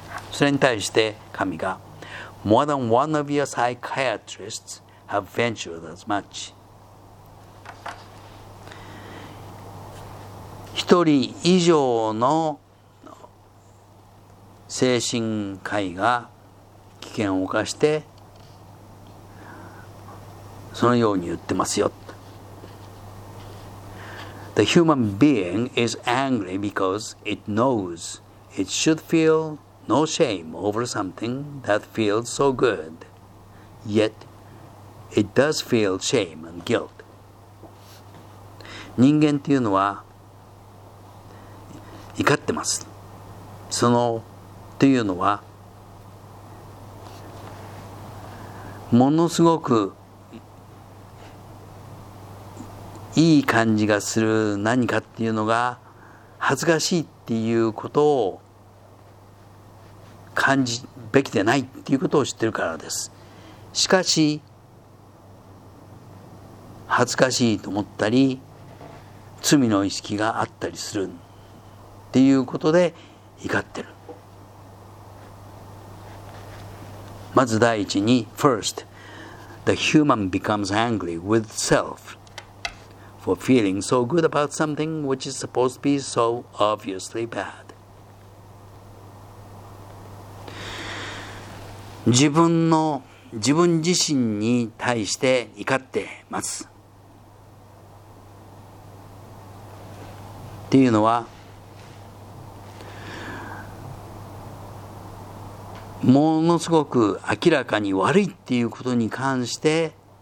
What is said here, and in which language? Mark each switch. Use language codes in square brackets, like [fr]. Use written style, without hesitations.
[ja] それに対して神が、 [en] More than one of your psychiatrists have ventured as much. [ja] 一人以上の精神科医が危険を犯して、そのように言ってますよ。 [en] The human being is angry because it knows it should feel no shame over something that feels so good. Yet, it does feel shame and guilt. [ja] 人間っていうのは怒ってます。そのっていうのはものすごくいい感じがする何かっていうのが恥ずかしいっていうことを感じべきでないっていうことを知ってるからです。しかし恥ずかしいと思ったり罪の意識があったりするっていうことで怒ってる。まず第一に [en] First, the human becomes angry with self. For feeling so good about something which is supposed to be so obviously bad. [ja] 自分自身に対して怒ってます。っていうのは、ものすごく明らかに悪いっていうことに関して。